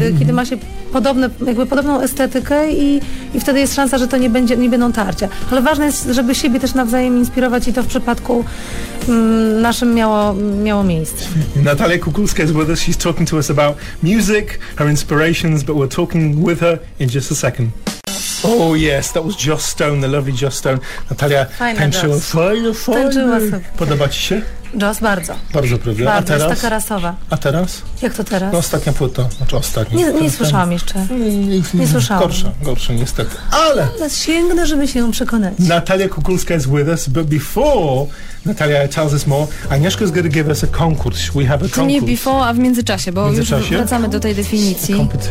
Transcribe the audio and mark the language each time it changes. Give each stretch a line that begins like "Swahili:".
Polish: Kiedy ma się podobną estetykę i wtedy jest szansa, że to nie będą tarcia. Ale ważne jest, żeby siebie też nawzajem inspirować i to w przypadku naszym miało miejsce.
English: Natalia Kukulska is with us. She's talking to us about music, her inspirations, but we're talking with her in just a second. Oh yes, that was Joss Stone, the lovely Joss Stone.
Polish: Natalia tańczyła. Tańczyła. Podoba ci się? Joss, bardzo. Bardzo prawda. A teraz? Jest taka rasowa. A teraz? Jak to teraz? No, ostatnia płyta. Znaczy ostatnia. Nie słyszałam jeszcze. Nie słyszałam. Gorsza niestety. Ale! Sięgnę, żeby się ją przekonać.
English: Natalia Kukulska is with us, but before Natalia tells us more, Agnieszka is going to give us a concurs. We have a concurs.
Polish: To nie before, a w międzyczasie, bo już wracamy do tej definicji.